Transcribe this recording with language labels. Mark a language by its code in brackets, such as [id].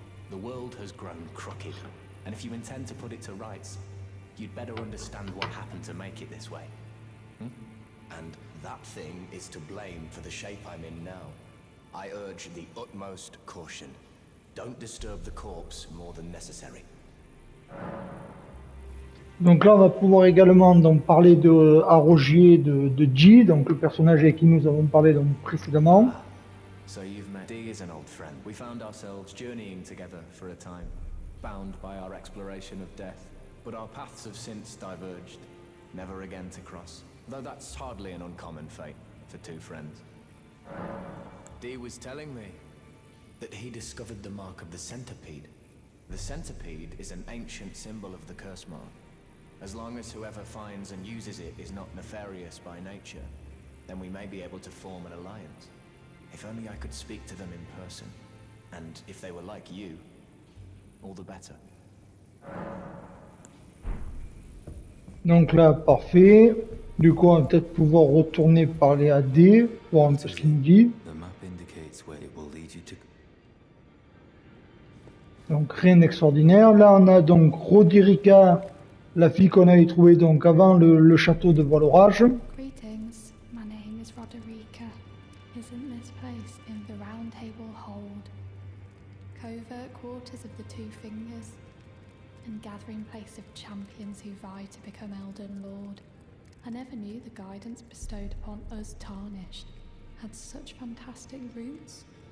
[en] The world has grown crooked, and if you intend to put it to rights, you'd better understand what happened to make it this way. Hmm? And that thing is to blame for the shape I'm in now. I urge the utmost caution. Don't disturb the corpse more than necessary. [fr] Donc là, on va pouvoir également donc parler de Arogier, de G, donc le personnage avec qui nous avons parlé donc précédemment. [en] So you've met. D is an old friend. We found ourselves journeying together for a time, bound by our exploration of death. But our paths have since diverged, never again to cross. Though that's hardly an uncommon fate for two friends. D was telling me that he discovered the mark of the centipede. The centipede is an ancient symbol of the curse mark. As long as whoever finds and uses it is not nefarious by nature, then we may be able to form an alliance. If only I could speak to them in person, and if they were like you, all the better. [fr] Donc là, parfait. Du coup, on va peut-être pouvoir retourner parler à D, pour en ce qu'il dit. [en] The map indicates where it will lead you to... [fr] Donc rien d'extraordinaire. Là, on a donc Rodirica, la fille qu'on avait trouvée donc avant le château de Voilorage. [en] Greetings, my name is Roderica. Isn't this place in the Round Table Hold? Covert quarters of the Two Fingers and gathering place of champions who vie to become Elden Lord. I never knew the guidance bestowed upon us tarnished had such fantastic roots.